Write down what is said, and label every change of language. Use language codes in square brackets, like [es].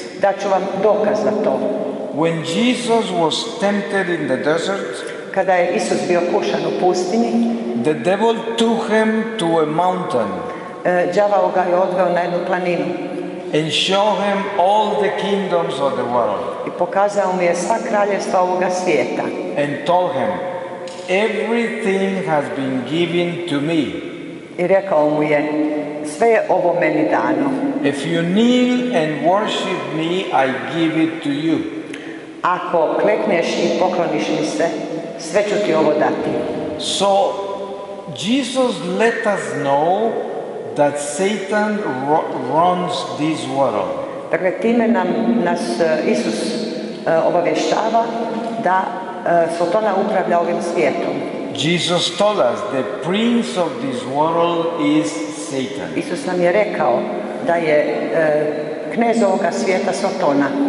[hr] Daću vam dokaz za to. [en] When Jesus was tempted in the desert, [hr] kada je Isus bio kušan u pustinji, [en] the devil took him to a mountain. [hr] Đavao ga je odveo na jednu planinu. [en] And show him all the kingdoms of the world. [hr] I pokazao mu je sva kraljevstva ovoga svijeta. [en] And told him, everything has been given to me. [hr] I rekao mu je, sve je ovo meni dano. [en] If you kneel and worship me, I give it to you. [hr] Ako klekneš i pokloniš mi se, sve ću ti ovo dati. [en] So Jesus let us know that Satan runs this world. [hr] Dakle, time nas Isus obavještava da Sotona upravlja ovim svijetom. [en] Jesus told us the prince of this world is Satan. [hr] Isus nam je rekao da je knez ovoga svijeta Sotona.